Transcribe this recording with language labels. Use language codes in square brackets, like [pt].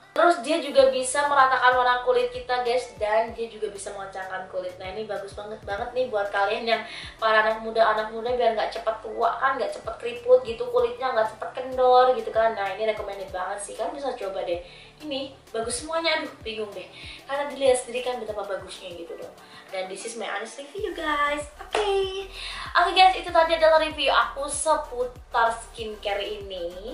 [id] Terus dia juga bisa meratakan warna kulit kita guys, dan dia juga bisa mengencangkan kulit. Nah ini bagus banget nih buat kalian yang para anak muda biar gak cepet tua kan, gak cepet keriput gitu, kulitnya gak cepet kendor gitu kan. Nah ini recommended banget sih, kalian bisa coba deh. Ini bagus semuanya, aduh bingung deh, karena dilihat sendiri kan betapa bagusnya gitu loh. [en] Dan this is my honest review, guys. [id] Okay, guys, itu tadi adalah review aku seputar skincare ini.